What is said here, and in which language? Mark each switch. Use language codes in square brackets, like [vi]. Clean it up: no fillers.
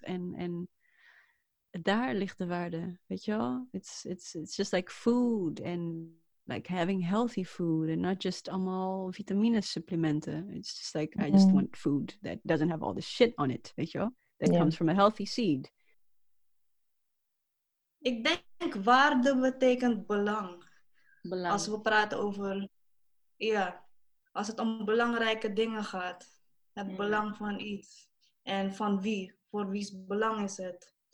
[nl] En daar ligt de waarde, weet je wel? [en] It's just like food and like having healthy food and not just [nl] allemaal vitamine supplementen. [en] It's just like, mm-hmm. I just want food that doesn't have all the shit on it, [nl] weet je wel? [en] That comes from a healthy seed. [nl] Ik denk waarde betekent belang. Belang. Als we praten over, ja, als het om belangrijke dingen gaat. Het belang van iets. En van wie. Voor wie's belang is het.